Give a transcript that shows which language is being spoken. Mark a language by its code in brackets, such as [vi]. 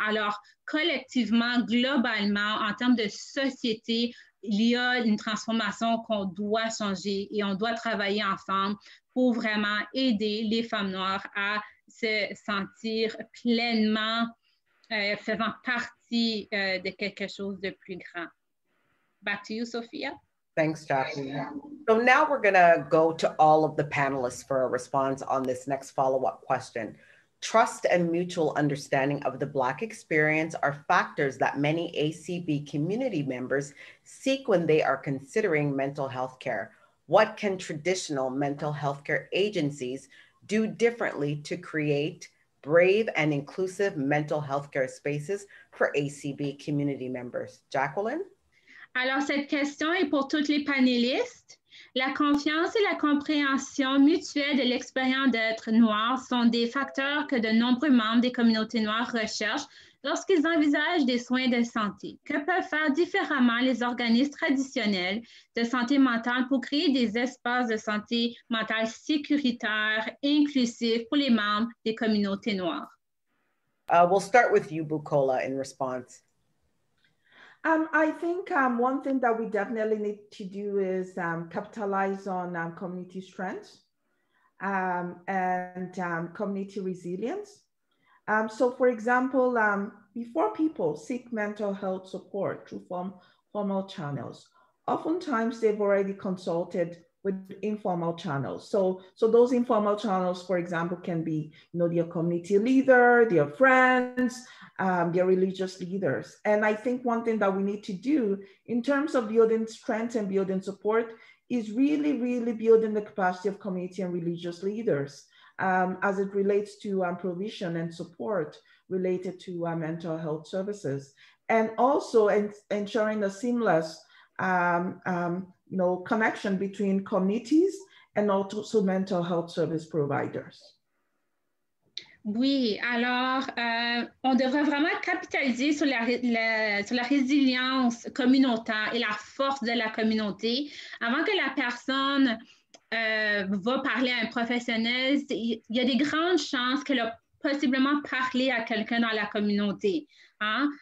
[fr] Alors, collectivement, globalement, en termes de société, il y a une transformation qu'on doit changer et on doit travailler ensemble pour vraiment aider les femmes noires à se sentir pleinement faisant partie de quelque chose de plus grand. [en] Back to you, Sophia. Thanks, Jacklyn. So now we're going to go to all of the panelists for a response on this next follow-up question. Trust and mutual understanding of the Black experience are factors that many ACB community members seek when they are considering mental health care. What can traditional mental health care agencies do differently to create brave and inclusive mental health care spaces for ACB community members? Jacklyn? [fr] Alors, cette question est pour toutes les panélistes. La confiance et la compréhension mutuelle de l'expérience d'être noir sont des facteurs que de nombreux membres des communautés noires recherchent lorsqu'ils envisagent des soins de santé. Que peuvent faire différemment les organismes traditionnels de santé mentale pour créer des espaces de santé mentale sécuritaires, inclusifs pour les membres des communautés noires? [en] We'll start with you, Bukola, in response. I think one thing that we definitely need to do is capitalize on community strength and community resilience. So for example, before people seek mental health support through formal channels, oftentimes they've already consulted with informal channels. So those informal channels, for example, can be, you know, their community leader, their friends, their religious leaders. And I think one thing that we need to do in terms of building strength and building support is really, really building the capacity of community and religious leaders as it relates to provision and support related to mental health services. And also ensuring a seamless connection between communities and also mental health service providers. [fr] Oui, alors on devrait vraiment capitaliser sur la résilience communautaire et la force de la communauté. Avant que la personne va parler à un professionnel, il y a des grandes chances qu'elle a possiblement parlé à quelqu'un dans la communauté. Hein?